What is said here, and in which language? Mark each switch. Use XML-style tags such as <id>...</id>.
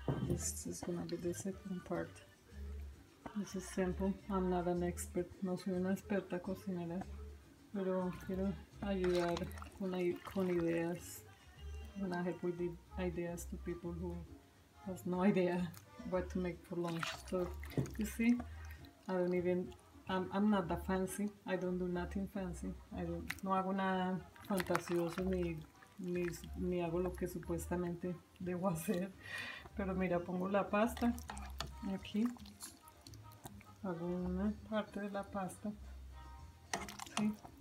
<en>This is going to be the second part. This is simple. I'm not an expert.</en> <es>No soy una experta cocinera, pero quiero ayudar con ideas.</es> <en>I'm going to help with ideas to people who has no idea what to make for lunch. So, you see, I don't even, I'm not that fancy. I don't do nothing fancy.</en> <es>No hago nada fantasioso ni hago lo que supuestamente debo hacer. Pero mira, pongo la pasta aquí. Hago una parte de la pasta. ¿Sí?</es>